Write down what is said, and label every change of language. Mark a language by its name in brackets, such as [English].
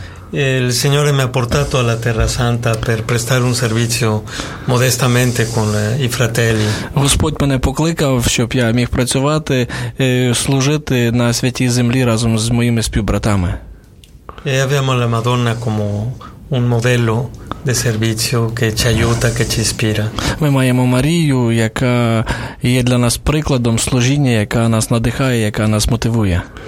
[Italian] Il Signore mi ha portato alla Terra Santa per prestare un servizio modestamente con i fratelli. [Ukrainian] Господь мене покликав, щоб я міг працювати, служити на святій землі разом з моїми співбратами. [Italian] E abbiamo la Madonna come un modello de servizio che ci aiuta, che ci ispira. [Ukrainian] Ми маємо Марію, яка є для нас прикладом служіння, яка нас надихає, яка нас мотивує.